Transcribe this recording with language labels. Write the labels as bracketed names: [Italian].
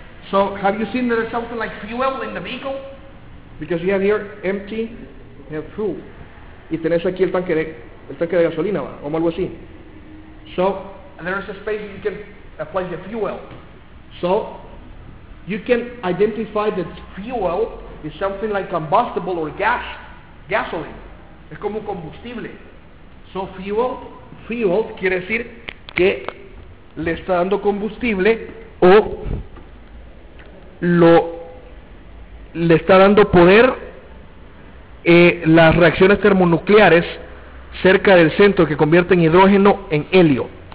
[English] So, have you seen there is something like fuel in the vehicle? Because you have here empty, you have fuel. [Spanish] Y tenés aquí el tanque de gasolina, ¿va? O algo así. [English] So, and there is a space you can apply the fuel. So, you can identify that fuel is something like combustible or gas, gasoline. [Spanish] Es como combustible. So fuel quiere decir que le está dando combustible o le está dando poder las reacciones termonucleares cerca del centro que convierten hidrógeno en helio.